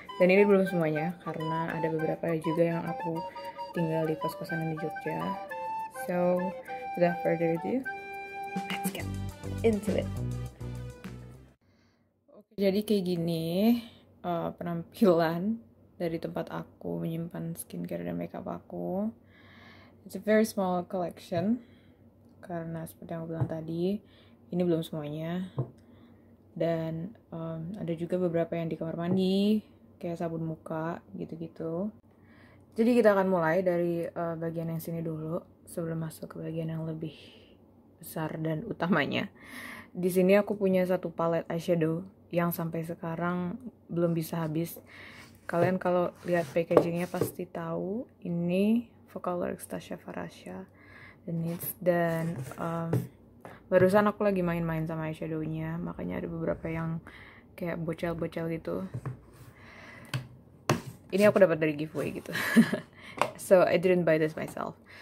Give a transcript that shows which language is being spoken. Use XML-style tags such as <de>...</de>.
<id>Dan ini belum semuanya, karena ada beberapa juga yang aku tinggal di kos-kosan di Jogja.</id> <en>So, without further ado, let's get into it.</en> <id>Oke, jadi kayak gini penampilan dari tempat aku menyimpan skincare dan makeup aku.</id> <en>It's a very small collection,</en> <id>karena seperti yang aku bilang tadi, ini belum semuanya. Dan ada juga beberapa yang di kamar mandi, kayak sabun muka, gitu-gitu. Jadi kita akan mulai dari bagian yang sini dulu, sebelum masuk ke bagian yang lebih besar dan utamanya. Di sini aku punya satu palette eyeshadow yang sampai sekarang belum bisa habis. Kalian kalau lihat packagingnya pasti tahu ini Focolor Extasia Farasha The Needs. Dan barusan aku lagi main-main sama eyeshadow-nya, makanya ada beberapa yang kayak bocel-bocel gitu. Ini aku dapat dari giveaway gitu.</id> <en>So I didn't buy this myself.</en>